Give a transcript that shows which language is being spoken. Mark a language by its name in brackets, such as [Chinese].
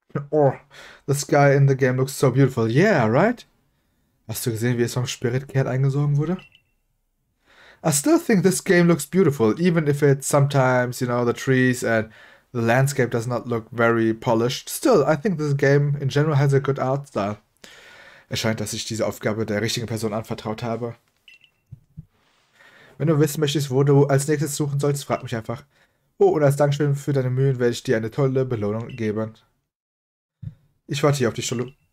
[English] Oh, the sky in the game looks so beautiful. Yeah, right? [German] Hast du gesehen, wie es vom Spiritkern eingesogen wurde? [English] I still think this game looks beautiful, even if it sometimes, you know, the trees and the landscape does not look very polished. Still, I think this game in general has a good art style. [German] Es scheint, dass ich diese Aufgabe der richtigen Person anvertraut habe. Wenn du wissen möchtest, wo du als nächstes suchen sollst, frag mich einfach. Oh, und als Dankeschön für deine Mühen werde ich dir eine tolle Belohnung geben. Ich warte hier auf die Stelle.